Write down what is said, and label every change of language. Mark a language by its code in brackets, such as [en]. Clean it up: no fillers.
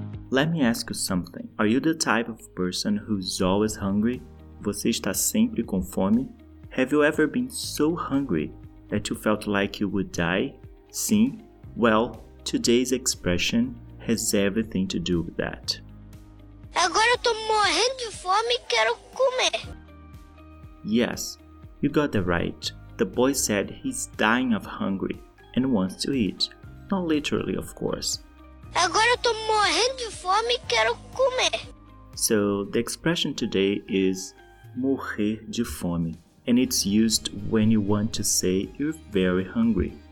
[en] Let me ask you something. Are you the type of person who's always hungry? [pt] Você está sempre com fome? [en] Have you ever been so hungry that you felt like you would die? [pt] Sim? [en] Well, today's expression has everything to do with that. [pt] Agora eu tô morrendo de fome e quero comer. [en] Yes, you got that right. The boy said he's dying of hungry and wants to eat. Not literally, of course. [pt] Agora eu tô morrendo de fome e quero comer. [en] So, the expression today is [pt] morrer de fome. [en] And it's used when you want to say you're very hungry.